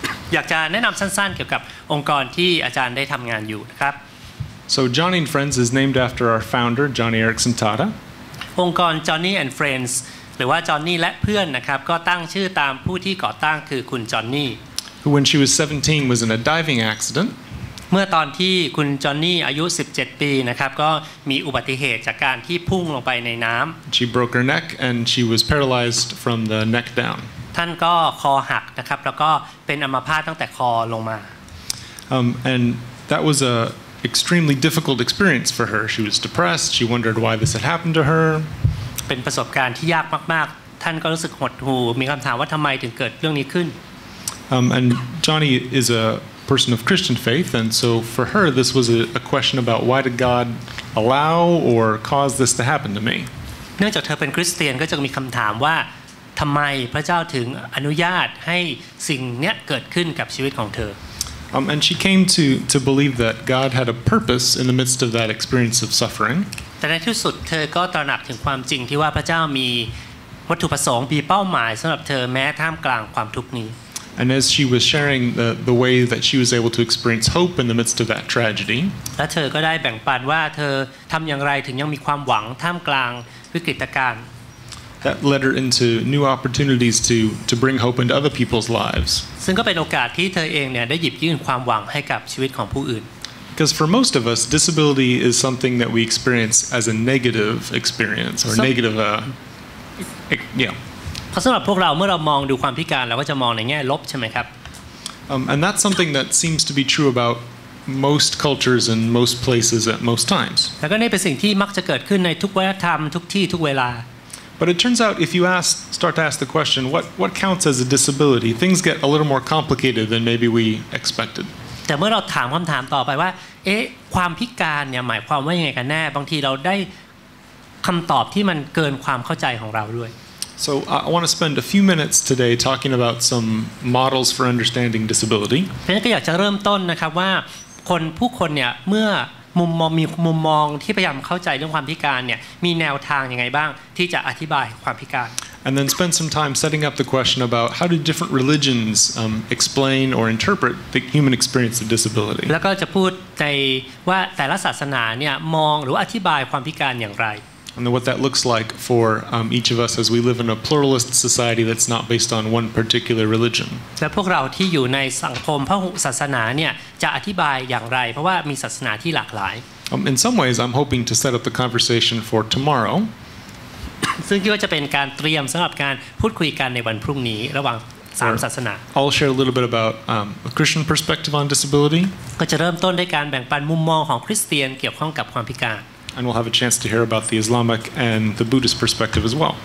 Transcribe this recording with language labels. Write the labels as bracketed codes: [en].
[en] So Johnny and Friends is named after our founder, Johnny Erickson Tada. Johnny and Friends who, when she was 17, was in a diving accident. [th] เมื่อตอนที่คุณจอห์นนี่อายุ17ปีนะครับก็มีอุบัติเหตุจากการที่พุ่งลงไปในน้ํา [en] She broke her neck and she was paralyzed from the neck down [th] ท่านก็คอหักนะครับแล้วก็เป็นอัมพาตตั้งแต่คอลงมา [en] and that was a extremely difficult experience for her she was depressed she wondered why this had happened to her [th] เป็นประสบการณ์ที่ยากมากๆท่านก็รู้สึกหดหู่มีคําถามว่าทําไมถึงเกิดเรื่องนี้ขึ้น [en] and Johnny is aperson of Christian faith and so for her this was a question about why did God allow or cause this to happen to me [th] เนื่องจากเธอเป็นคริสเตียนก็จะมีคำถามว่าทำไมพระเจ้าถึงอนุญาตให้สิ่งเนี้ยเกิดขึ้นกับชีวิตของเธอ [en] and she came to believe that God had a purpose in the midst of that experience of suffering [th] แต่ในที่สุดเธอก็ตระหนักถึงความจริงที่ว่าพระเจ้ามีวัตถุประสงค์มีเป้าหมายสำหรับเธอแม้ท่ามกลางความทุกข์นี้ [en] And as she was sharing the way that she was able to experience hope in the midst of that tragedy, [th] และเธอก็ได้แบ่งปันว่าเธอทำอย่างไรถึงยังมีความหวังท่ามกลางวิกฤตการณ์ [en] That led her into new opportunities to bring hope into other people's lives. [th] ซึ่งก็เป็นโอกาสที่เธอเองเนี่ยได้หยิบยื่นความหวังให้กับชีวิตของผู้อื่น [en] Because for most of us, disability is something that we experience as a negative experience or negative, [th] เพราะสำหรับพวกเราเมื่อเรามองดูความพิการเราก็จะมองในแง่ลบใช่ไหมครับ [en] and that's something that seems to be true about most cultures and most places at most times [th] แล้วก็นี่เป็นสิ่งที่มักจะเกิดขึ้นในทุกวัฒนธรรมทุกที่ทุกเวลา [en] but it turns out if you start to ask the question what counts as a disability things get a little more complicated than maybe we expected [th] แต่เมื่อเราถามคำถามต่อไปว่าเอ๊ะความพิการเนี่ยหมายความว่ายังไงกันแน่บางทีเราได้คำตอบที่มันเกินความเข้าใจของเราด้วย [en] So I want to spend a few minutes today talking about some models for understanding disability. [th] เพื่อนก็อยากจะเริ่มต้นนะครับว่าคนผู้คนเนี่ยเมื่อมุมมองที่พยายามเข้าใจเรื่องความพิการเนี่ยมีแนวทางยังไงบ้างที่จะอธิบายความพิการ [en] And then spend some time setting up the question about how do different religions explain or interpret the human experience of disability. [th] แล้วก็จะพูดในว่าแต่ละศาสนาเนี่ยมองหรืออธิบายความพิการอย่างไร [en] And what that looks like for each of us as we live in a pluralist society that's not based on one particular religion. [th] และพวกเราที่อยู่ในสังคมพหุศาสนาเนี่ยจะอธิบายอย่างไรเพราะว่ามีศาสนาที่หลากหลาย [en] In some ways, I'm hoping to set up the conversation for tomorrow. [th] ซึ่งก็จะเป็นการเตรียมสำหรับการพูดคุยกันในวันพรุ่งนี้ระหว่างสามศาสนา [en] I'll share a little bit about a Christian perspective on disability. [th] ก็จะเริ่มต้นด้วยการแบ่งปันมุมมองของคริสเตียนเกี่ยวข้องกับความพิการ [en] And we'll have a chance to hear about the Islamic and the Buddhist perspective as well.